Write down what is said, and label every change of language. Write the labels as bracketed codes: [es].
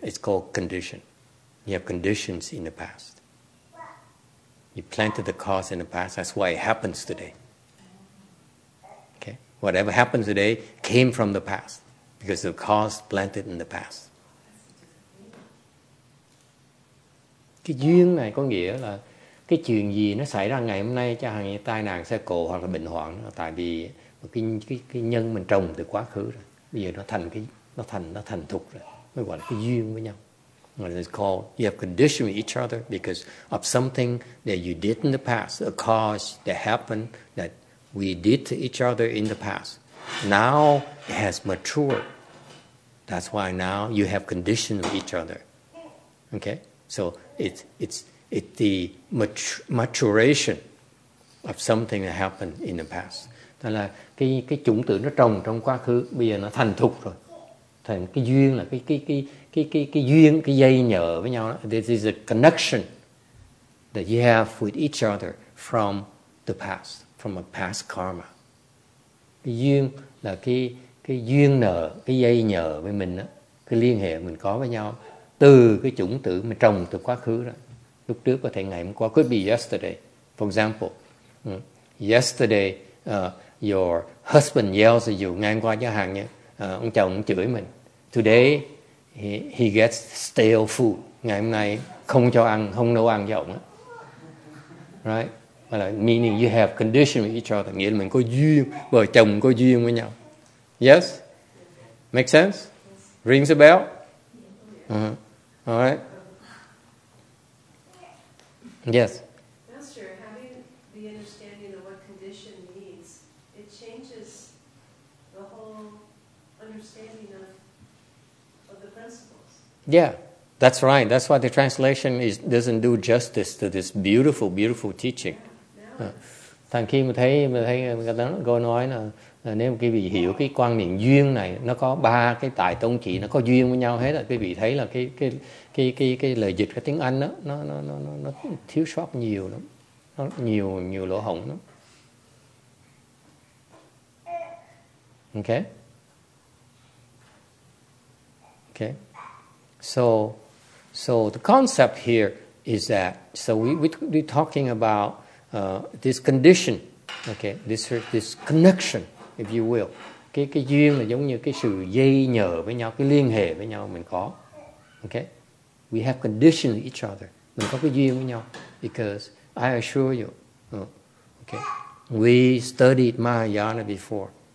[en] It's called condition. You have conditions in the past. You planted the cause in the past. That's why it happens today. Okay, whatever happens today came from the past because of the cause planted in the past. [vi] Cái duyên này có nghĩa là cái chuyện gì nó xảy ra ngày hôm nay, chẳng hạn như tai nạn xe cộ hoặc là bệnh hoạn, tại vì cái nhân mình trồng từ quá khứ rồi, bây giờ nó thành thục rồi, mới gọi là cái duyên với nhau. [en] It's called you have conditioned with each other because of something that you did in the past, a cause that happened that we did to each other in the past. Now it has matured. That's why now you have conditioned with each other. Okay, so it's the maturation of something that happened in the past. [vi] Tức là cái chủng tử nó trồng trong quá khứ, bây giờ nó thành thục rồi. Thành cái duyên là cái duyên, cái dây nhợ với nhau đó. [en] This is a connection that you have with each other from the past, from a past karma. [vi] Cái duyên là cái duyên nợ, cái dây nhợ với mình đó, cái liên hệ mình có với nhau từ cái chủng tử mình trồng từ quá khứ đó. Lúc trước có thể ngày hôm qua, [en] could be yesterday. For example, yesterday your husband yells at you, [vi] ngày hôm qua chẳng hạn nhé, ông chồng ông chửi mình. [en] Today he gets stale food, [vi] ngày hôm nay không cho ăn, không nấu ăn cho ông á. [en] Right? Meaning you have condition with each other, [vi] nghĩa là mình có duyên, vợ chồng có duyên với nhau. [en] Yes? Make sense? Rings a bell? Uh-huh. All right. Yes. Master, having the understanding of what condition means, it changes the whole understanding of the principles. Yeah, that's right. That's why the translation doesn't do justice to this beautiful, beautiful teaching. Yeah, [vi] Thành khi mà thấy người ta nói là nếu quý vị hiểu cái quan niệm duyên này, nó có ba cái tài tông chỉ, nó có duyên với nhau hết, là quý vị thấy là cái lời dịch cái tiếng Anh đó nó thiếu sót nhiều lắm, nó nhiều lỗ hổng lắm. [en] Okay. So the concept here is that we're talking about this condition, okay, this connection, if you will. [vi] Cái duyên là giống như cái sự dây nhờ với nhau, cái liên hệ với nhau mình có. Okay? [en] We have condition with each other. [vi] Mình có cái duyên với nhau. [en] Because I assure you, okay, we studied Mahayana before.